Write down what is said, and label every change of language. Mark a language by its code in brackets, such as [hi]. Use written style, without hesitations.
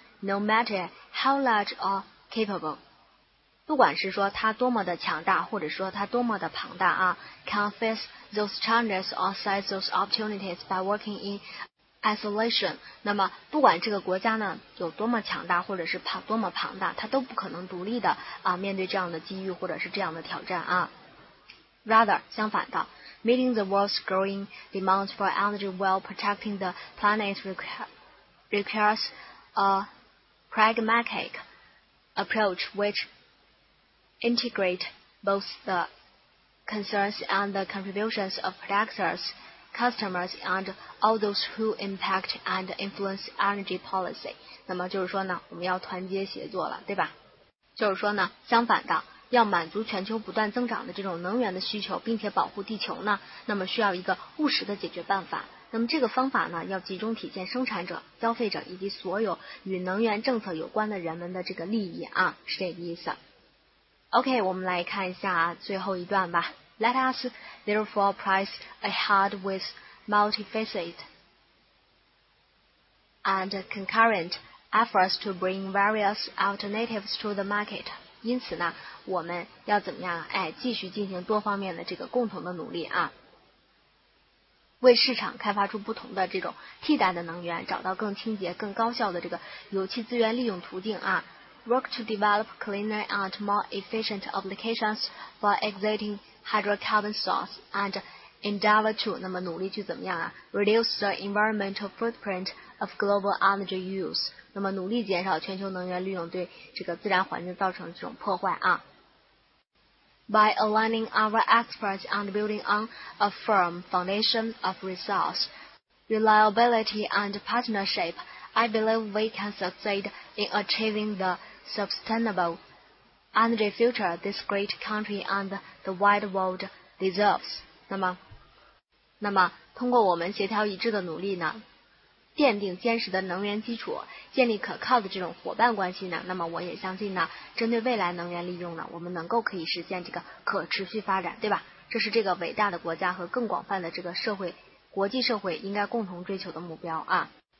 [en] No matter how large or capable. [zh] 不管是说它多么的强大，或者说它多么的庞大啊 [en] ，can face those challenges or seize those opportunities by working in isolation. [zh] 那么不管这个国家呢有多么强大或者是多么庞大，它都不可能独立的啊面对这样的机遇或者是这样的挑战啊。 [en] Rather, [zh] 相反的 [en] ,meeting the world's growing demands for energy while protecting the planet requires a pragmatic approach which integrate both the concerns and the contributions of producers,customers and all those who impact and influence energy policy. [zh] 那么就是说呢，我们要团结协作了，对吧？就是说呢，相反的，要满足全球不断增长的这种能源的需求，并且保护地球呢，那么需要一个务实的解决办法。那么这个方法呢，要集中体现生产者、消费者以及所有与能源政策有关的人们的这个利益啊，是这个意思。 OK， 我们来看一下最后一段吧。 [en] Let us therefore price ahead with multifaceted and concurrent efforts to bring various alternatives to the market. [zh] 因此呢，我们要怎么样？哎，继续进行多方面的这个共同的努力啊，为市场开发出不同的这种替代的能源，找到更清洁、更高效的这个油气资源利用途径啊。 [en] Work to develop cleaner and more efficient applications for existing hydrocarbon source and endeavor to, [zh] 那么努力去怎么样啊 ? [en] reduce the environmental footprint of global energy use, [zh] 那么努力减少全球能源利用对这个自然环境造成的这种破坏啊。 [en] By aligning our experts and building on a firm foundation of resource, reliability and partnership, I believe we can succeed in achieving thesustainable energy future this great country and the wide world deserves. [zh] 那么通过我们协调一致的努力呢，奠定坚实的能源基础，建立可靠的这种伙伴关系呢，那么我也相信呢，针对未来能源利用呢，我们能够可以实现这个可持续发展，对吧？这是这个伟大的国家和更广泛的这个社会，国际社会应该共同追求的目标啊。